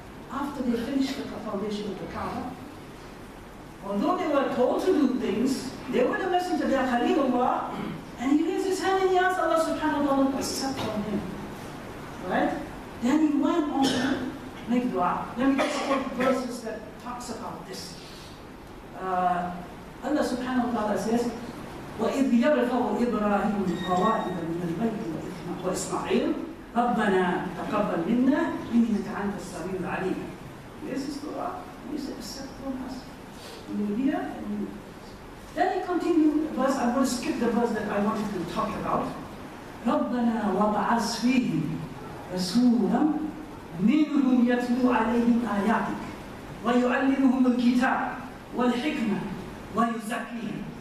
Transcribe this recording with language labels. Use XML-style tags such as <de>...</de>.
<en>After they finished the foundation of the Kaaba, although they were told to do things, they were the messenger, they are Khalilullah, and he raised his hand and he asked Allah subhanahu wa ta'ala to accept from him. Right? Then he went on to make dua. Let me just quote verses that talks about this. Allah subhanahu wa ta'ala says,</en> <ar>وَإِذْ يَرْفَعُ إِبْرَاهِيمُ الْقَوَاعِدَ مِنَ الْبَيْتِ وَإِسْمَاعِيلُ رَبَّنَا تَقَبَّلْ مِنَّا إِنَّكَ أَنْتَ السَّمِيعُ الْعَلِيمُ.</ar> <en>This is dua. He said, accept from us. And we hear and we listen. Then he continued the verse. I'm going to skip the verse that I wanted to talk about.</en> <ar>رَبَّنَا وَبَعَثْ فِيهِمْ رَسُولًا مِنْهُمْ يَتْلُو عَلَيْهِمْ آيَاتِكَ وَيُعَلِّمُهُمُ الْكِتَابَ وَالْحِكْمَةَ وَيُزَكِّيهِمْ.</ar>